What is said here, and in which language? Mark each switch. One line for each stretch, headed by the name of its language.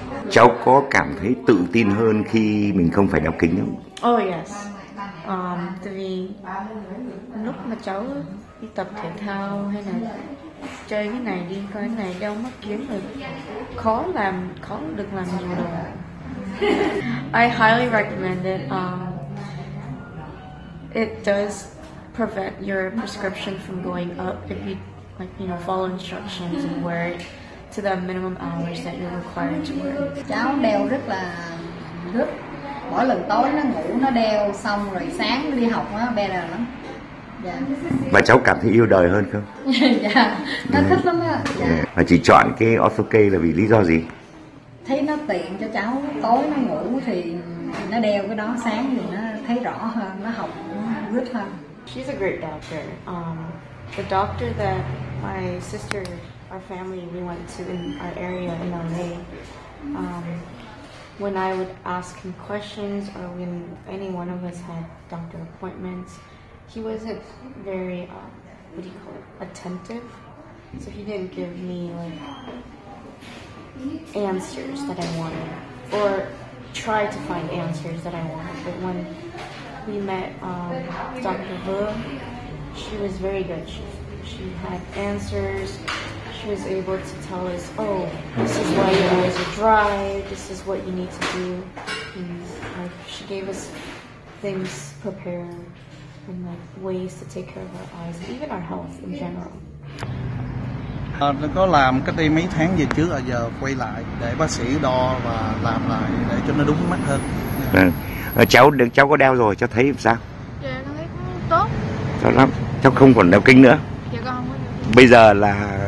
Vietnamese: Cháu có cảm thấy tự tin hơn khi mình không phải đeo kính không?
English: Oh yes,
Vietnamese: tại vì lúc mà cháu đi tập thể thao hay là chơi cái này đi coi cái này đeo mắt kính thì khó làm, khó được làm nhiều đồ.
English: I highly recommend it. It does prevent your prescription from going up if you, like, you know, follow instructions and wear it to the minimum hours that you're required to wear.
Vietnamese: Cháu đeo rất là rất, mỗi lần tối nó ngủ nó đeo xong rồi sáng đi học á better lắm.
English: Yeah.
Vietnamese: Và cháu cảm thấy yêu đời hơn không? Dạ, thích lắm á. Và chị chọn cái Orthokey là vì lý do gì? Thấy nó tiện cho cháu, tối nó ngủ thì nó đeo cái đó, sáng thì nó thấy rõ hơn, nó học rất hơn.
English: She's a great doctor. The doctor that my sister, our family, we went to in our area in LA, when I would ask him questions or when any one of us had doctor appointments, he wasn't very, attentive. So he didn't give me like answers that I wanted or try to find answers that I wanted. But when we met Dr. He, she was very good. She had answers. She was able to tell us, oh, this is why your eyes are dry, this is what you need to do. And like, she gave us things prepared and like ways to take care of our eyes, even our health in general.
Vietnamese: Nó có làm cách đây mấy tháng về trước, giờ quay lại để bác sĩ đo và làm lại để cho nó đúng mắt hơn. Cháu có đeo rồi, cháu thấy sao? Dạ, cháu thấy tốt. Tốt lắm, cháu không còn đeo kính nữa. Dạ, con không có đeo kính. Bây giờ là